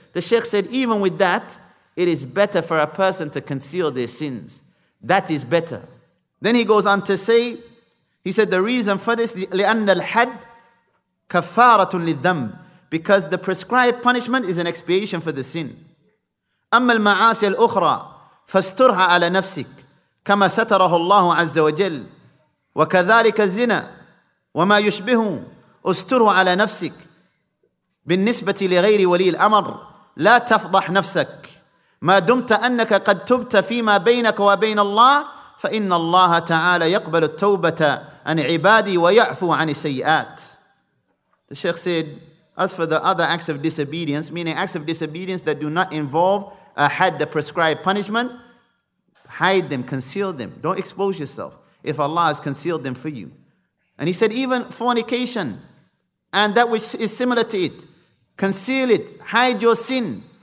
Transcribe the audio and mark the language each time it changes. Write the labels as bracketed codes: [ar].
[en] The Sheikh said, even with that, it is better for a person to conceal their sins. That is better. Then he goes on to say, he said, the reason for this, [ar] لأن الحد كفارة للذنب. [en] Because the prescribed punishment is an expiation for the sin. [ar] أما المعاصي الأخرى فاسترها على نفسك كما ستره الله عز وجل وكذلك الزنا وما يشبه استره على نفسك بالنسبة لغير ولي الأمر لا تفضح نفسك ما دمت أنك قد تبت فيما بينك وبين الله فإن الله تعالى يقبل التوبة عن عبادي ويعفو عن السيئات. [en] The Sheikh said, as for the other acts of disobedience, meaning acts of disobedience that do not involve had the prescribed punishment, hide them, conceal them. Don't expose yourself if Allah has concealed them for you. And he said, even fornication and that which is similar to it, conceal it, hide your sin.